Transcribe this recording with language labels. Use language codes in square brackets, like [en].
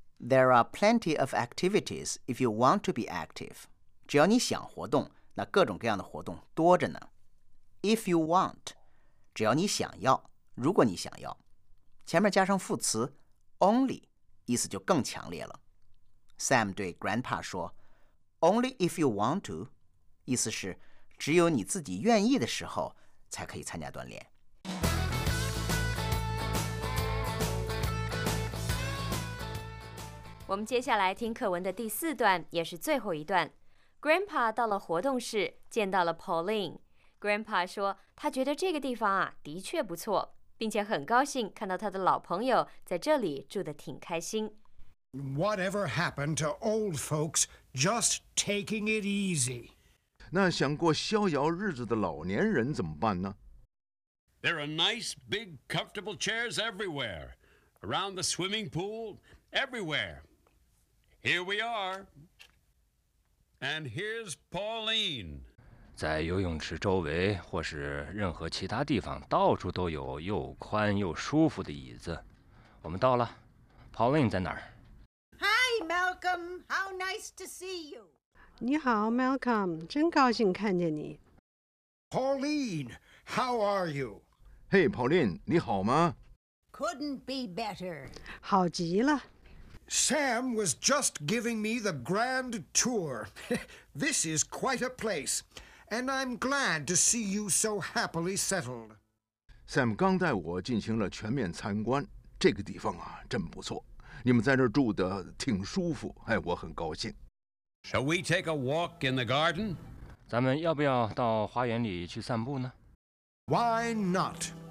[en] There are plenty of activities if you want to be active. [zh] 只要你想活动，那各种各样的活动多着呢。 [en] If you want， [zh] 只要你想要，如果你想要，前面加上副词 only， 意思就更强烈了。 Sam 对 Grandpa 说 [en] only if you want to， [zh] 意思是只有你自己愿意的时候才可以参加锻炼。我们接下来听课文的第四段，也是最后一段。 Grandpa 到了活动室，见到了 Pauline。 Grandpa 说他觉得这个地方啊的确不错，并且很高兴看到他的老朋友在这里住得挺开心。 [en] Whatever happened to old folks just taking it easy? [zh] 那想过逍遥日子的老年人怎么办呢？ [en] There are nice big comfortable chairs everywhere around the swimming poolEverywhere. Here we are. And here's Pauline. [zh] 在游泳池周围或是任何其他地方，到处都有又宽又舒服的椅子。我们到了。Pauline 在哪儿？ [en] Hi, Malcolm. How nice to see you. [zh] 你好 ,Malcolm. 真高兴看见你。 [en] Pauline, how are you? [zh] Hey, Pauline, 你好吗？ [en] Couldn't be better. [zh] 好极了。 [en] Sam was just giving me the grand tour. This is quite a place, and I'm glad to see you so happily settled. [zh] Sam 刚带我进行了全面参观，这个地方啊真不错，你们在这住得挺舒服，哎，我很高兴。 [en] Shall we take a walk in the garden? [zh] 咱们要不要到花园里去散步呢？ [en] Why not?